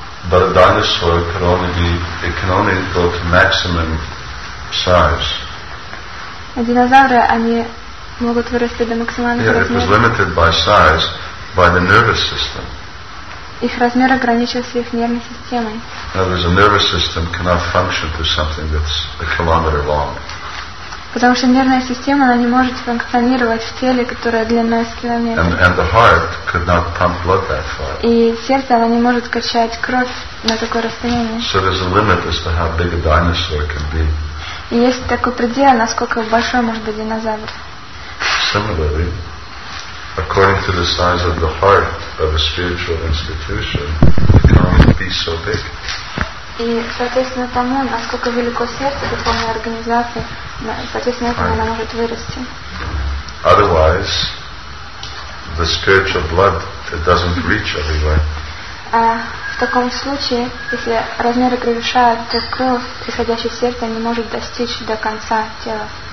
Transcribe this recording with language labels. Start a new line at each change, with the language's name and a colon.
English: But a dinosaur could only be, it can only go to maximum size.
Russian: Динозавры, они могут вырасти до максимального размера.
English: Yeah, it was limited by size, by the nervous system.
Russian: Их размер ограничивался их нервной системой.
English: In other words, a nervous system cannot function to something that's a kilometer long.
Russian: Потому что нервная система, она не может функционировать в теле, которое длиной с километр.
English: And the heart could not pump blood that far.
Russian: И сердце, оно не может качать кровь на такое расстояние.
English: So there's a limit as to how big a dinosaur can be.
Russian: И есть такой предел, насколько большой может быть динозавр.
English: Similarly, according to the size of the heart of a spiritual institution, it can't be so big.
Russian: И соответственно тому, насколько велико сердце духовной организации, соответственно этому она может вырасти.
English: Otherwise, the spiritual blood it doesn't reach everywhere.
Russian: В таком случае, если размеры превышают, то кровь, приходящая в сердце, не может достичь до конца тела.